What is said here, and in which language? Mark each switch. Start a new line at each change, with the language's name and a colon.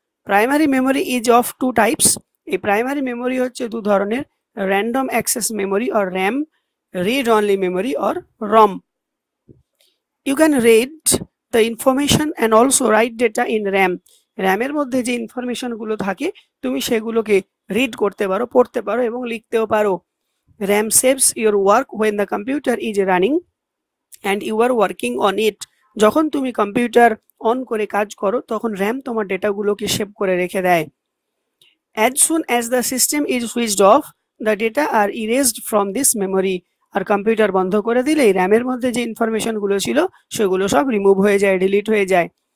English: primary memory is of two types,
Bangla: এই primary memory হচ্ছে দু ধরনের,
English: Random access memory or RAM, read only memory or ROM. You can read the information and also write data in RAM,
Bangla: র্যামের মধ্যে যে ইনফরমেশনগুলো থাকে তুমি সেগুলোকে রিড করতে পারো, পড়তে পারো এবং লিখতেও পারো।
English: RAM saves your work when the computer is running and you are working on it
Bangla: যখন তুমি কম্পিউটার অন করে কাজ করো, তখন র্যাম তোমার ডেটাগুলোকে সেভ করে রেখে দেয়।
English: As soon as the system is switched off, the data are erased from this memory.
Bangla: আর computer বন্ধ করে দিলে র্যামের মধ্যে যে ইনফরমেশনগুলো ছিল সেগুলো সব রিমুভ হয়ে যায়, ডিলিট হয়ে যায়।